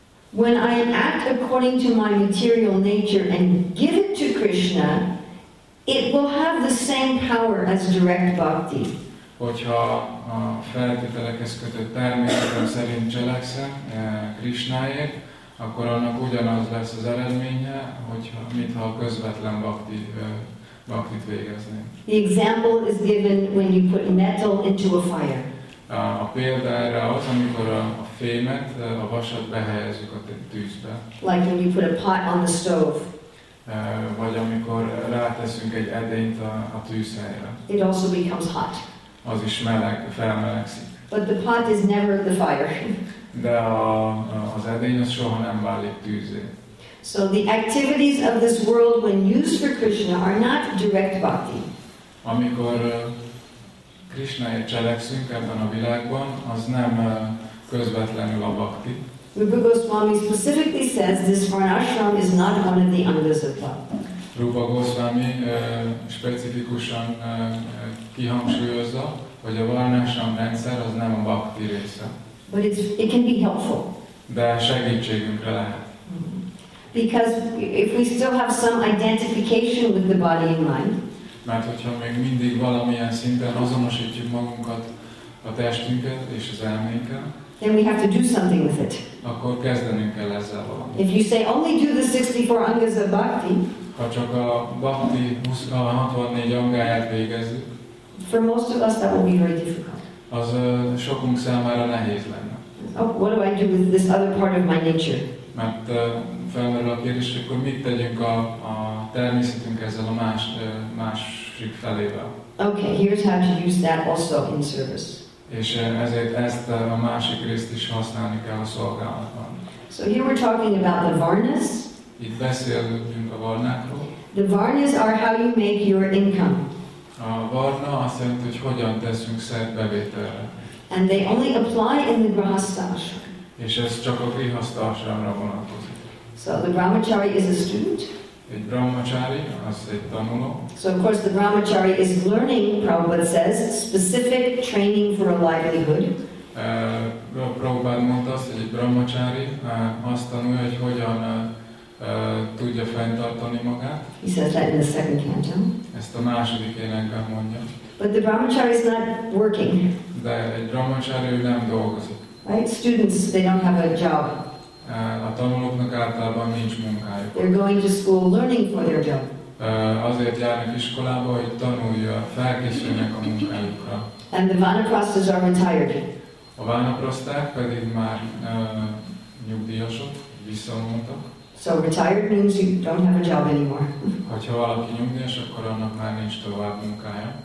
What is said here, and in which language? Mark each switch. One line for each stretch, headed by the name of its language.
English: When I act according to my material nature and give it to Krishna, it will have the same power as direct bhakti.
Hungarian: Hogyha a feltételekhez kötött természetem szerint cselekszem Krishnáért, akkor annak ugyanaz lesz az eredménye, hogyha, mintha a közvetlen bhakti bhaktit végeznénk.
English: The example is given when you put metal into a fire.
Hungarian: A példa erre az, amikor a fémet, a vasat behelyezzük a tűzbe.
English: Like when you put a pot on the stove.
Hungarian: Vagy amikor ráteszünk egy edényt a tűzhelyre.
English: It also becomes hot.
Hungarian: Az is meleg, felmelegszik.
English: But the pot is never the fire.
Hungarian: De az edény az soha nem válik tűzé.
English: So the activities of this world when used for Krishna are not direct bhakti.
Hungarian: Amikor Krishnáért cselekszünk ebben a világban, az nem közvetlenül a bhakti.
English: Rupa Goswami specifically says this varnashram is not one of the angas of bhakti.
Hungarian: Rupa Goswami specifikusan kihangsúlyozza, hogy a varnashram rendszer az nem a bhakti része.
English: But it can be helpful.
Hungarian: De segítségünkre lehet.
English: Because if we still have some identification with the body and mind,
Hungarian: mert hogyha még mindig valamilyen szinten azonosítjuk magunkat a testünket és az elménket,
English: then we have to do something with it.
Hungarian: Akkor kezdenünk kell ezzel valamit.
English: If you say only do the 64 angas of bhakti,
Hungarian: ha csak a bhakti 64 angáját végezzük,
English: for most of us that will be very difficult.
Hungarian: Az sokunk számára nehéz lenne.
English: Oh, what do I do with this other part of my nature?
Hungarian: Mert felmerül a kérdés, akkor mit tegyünk a természetünk ezzel a másik felével?
English: Okay, here's how to use that also in service.
Hungarian: És ezért ezt a másik részt is használni kell a szolgálatban.
English: So here we're talking about the varnas.
Hungarian: Itt beszélünk a varnákról.
English: The varnas are how you make your income.
Hungarian: A varna azt jelenti, hogy hogyan teszünk szert bevételre.
English: And they only apply in the grihastha.
Hungarian: És ez csak a grihastha ashramra vonatkozik.
English: So the brahmachari is a student.
Hungarian: Egy brahmachari, az egy tanuló.
English: So of course the brahmachari is learning, Prabhupada says, specific training for a livelihood.
Hungarian: Prabhupada mondta azt, hogy egy brahmachari azt tanulja, hogy hogyan tudja fenntartani magát.
English: He says that in the second canto.
Hungarian: Ezt a második énekben mondja.
English: But the brahmachari is not working.
Hungarian: De egy brahmachari ő nem dolgozik.
English: Right? Students, they don't have a job.
Hungarian: A tanulóknak általában nincs munkájuk.
English: They're going to school learning for their job.
Hungarian: Azért járnak iskolába, hogy tanulja, felkészüljenek a munkájukra.
English: And the vanaprasthas are retired.
Hungarian: A vanaprasták pedig már nyugdíjasok, visszavonultak.
English: So retired means you don't have a job anymore.
Hungarian: Hogyha valaki nyugdíjas, akkor annak már nincs tovább munkája.